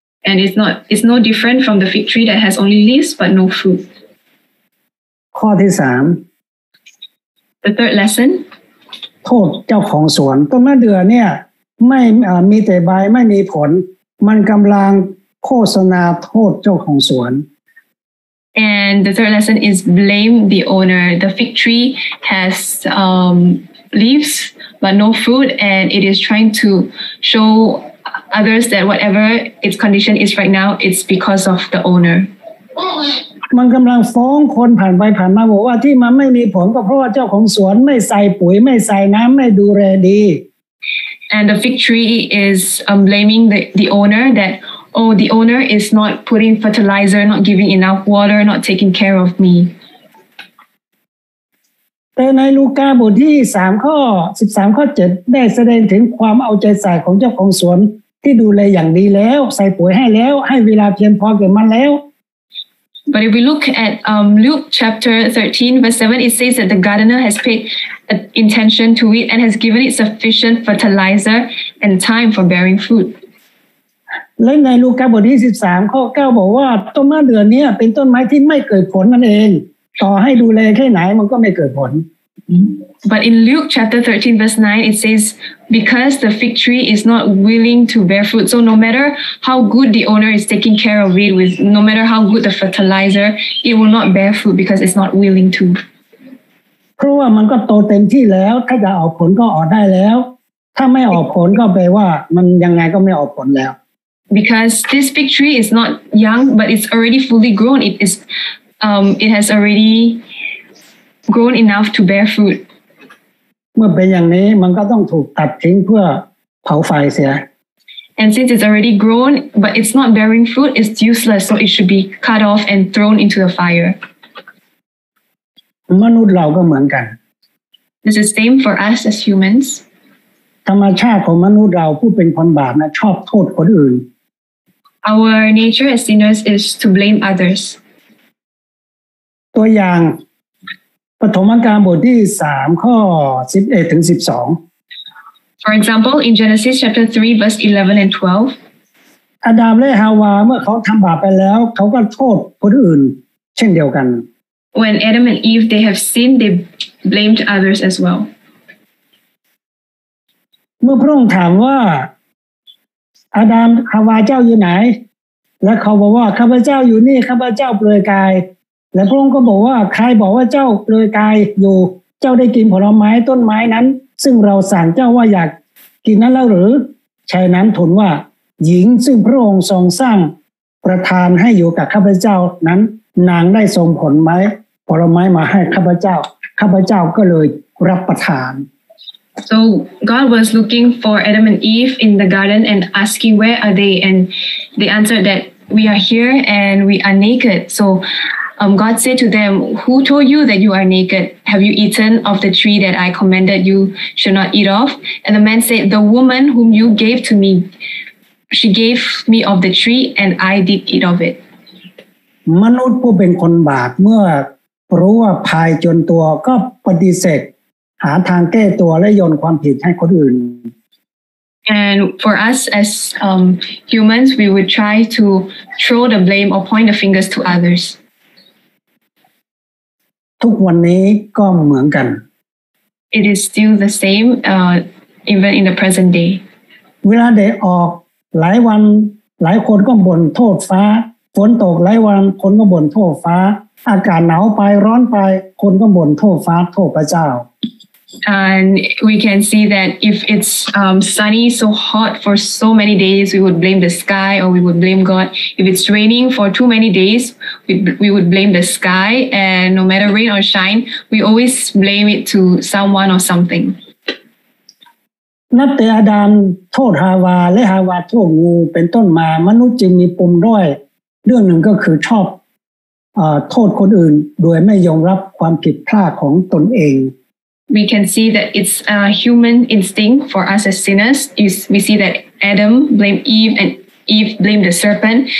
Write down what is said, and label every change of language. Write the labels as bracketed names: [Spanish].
[English] And it's no different from the fig tree that has only leaves but no fruit. [Thai] ข้อที่3 [English] The third lesson. [Thai] โทษเจ้าของสวนต้นมะเดื่อเนี่ยไม่มีแต่ใบไม่มีผลมันกำลังโฆษณาโทษเจ้าของสวน [English] And the third lesson is blame the owner. The fig tree has leaves but no fruit, and it is trying to show others that whatever its condition is right now, it's because of the owner. [Thai] มันกำลังฟ้องคนผ่านไปผ่านมาบอกว่าที่มันไม่มีผลก็เพราะว่าเจ้าของสวนไม่ใส่ปุ๋ยไม่ใส่น้ำไม่ดูแลดี [English] And the fig tree is blaming the owner that. Oh, the owner is not putting fertilizer, not giving enough water, not taking care of me. [Thai] แต่ในลูกาบทที่3ข้อ13ข้อ7ได้แสดงถึงความเอาใจใส่ของเจ้าของสวนที่ดูแลอย่างดีแล้วใส่ปุ๋ยให้แล้วให้เวลาเพียงพอกับมันแล้ว [English] But if we look at Luke chapter 13 verse 7, it says that the gardener has paid attention to it and has given it sufficient fertilizer and time for bearing fruit. [Thai] และในลูกาบทที่13ข้อ9บอกว่าต้นมะเดื่อเนี่ยเป็นต้นไม้ที่ไม่เกิดผลมันเองต่อให้ดูแลแค่ไหนมันก็ไม่เกิดผล [English] But in Luke chapter 13 verse 9 it says because the fig tree is not willing to bear fruit so no matter how good the owner is taking care of it with no matter how good the fertilizer it will not bear fruit because it's not willing to [Thai] เพราะว่ามันก็โตเต็มที่แล้วถ้าจะออกผลก็ออกได้แล้วถ้าไม่ออกผลก็แปลว่ามันยังไงก็ไม่ออกผลแล้ว [English] Because this fig tree is not young, but it's already fully grown. It is, it has already grown enough to bear fruit. [Thai] เมื่อเป็นอย่างนี้มันก็ต้องถูกตัดทิ้งเพื่อเผาไฟเสีย [English] And since it's already grown, but it's not bearing fruit, it's useless. So it should be cut off and thrown into the fire. [Thai] มนุษย์เราก็เหมือนกัน [English] This is same for us as humans. [Thai] ธรรมชาติของมนุษย์เราผู้เป็นคนบาปนะชอบโทษคนอื่น [English] Our nature as sinners is to blame others. [Thai] ตัวอย่างปฐมกาลบทที่3ข้อ11ถึง12 [English] For example, in Genesis chapter 3 verse 11 and 12. [Thai] อาดัมและฮาวาเมื่อเขาทำบาปไปแล้วเขาก็โทษคนอื่นเช่นเดียวกัน [English] When Adam and Eve they have sinned, they blamed others as well. [Thai] เมื่อพระองค์ถามว่าอาดัมฮาวาเจ้าอยู่ไหนและเขาบอกว่าข้าพเจ้าอยู่นี่ข้าพเจ้าเปลือยกายและพระองค์ก็บอกว่าใครบอกว่าเจ้าเปลือยกายอยู่เจ้าได้กินผลไม้ต้นไม้นั้นซึ่งเราสั่งเจ้าว่าอยากกินนั้นแล้วหรือชายนั้นทูลว่าหญิงซึ่งพระองค์ทรงสร้างประทานให้อยู่กับข้าพเจ้านั้นนางได้ทรงผลไม้ผลไม้มาให้ข้าพเจ้าข้าพเจ้าก็เลยรับประทาน [English] So God was looking for Adam and Eve in the garden and asking, where are they? And they answered that we are here and we are naked. So God said to them, who told you that you are naked? Have you eaten of the tree that I commanded you should not eat of? And the man said, the woman whom you gave to me, she gave me of the tree and I did eat of it. [Thai] มนุษย์ผู้เป็นคนบาปเมื่อรู้ว่าพายจนตัวก็ปฏิเสธหาทางแก้ตัวและโยนความผิดให้คนอื่น [English] And for us as humans we would try to throw the blame or point the fingers to others [Thai] ทุกวันนี้ก็เหมือนกัน [English] It is still the same even in the present day [Thai] เวลาได้ออกหลายวันหลายคนก็บ่นโทษฟ้าฝนตกหลายวันคนก็บ่นโทษฟ้าอากาศหนาวไปร้อนไปคนก็บ่นโทษฟ้าโทษพระเจ้า [English] And we can see that if it's sunny, so hot for so many days, we would blame the sky or we would blame God. If it's raining for too many days, we would blame the sky. And no matter rain or shine, we always blame it to someone or something. [Thai] นับแต่อาดัมโทษฮาวาและฮาวาโทษงูเป็นต้นมามนุษย์จึงมีปมด้อยเรื่องหนึ่งก็คือชอบโทษคนอื่นโดยไม่ยอมรับความผิดพลาดของตนเอง [English] We can see that it's a human instinct for us as sinners. We see that Adam blamed Eve and Eve blamed the serpent.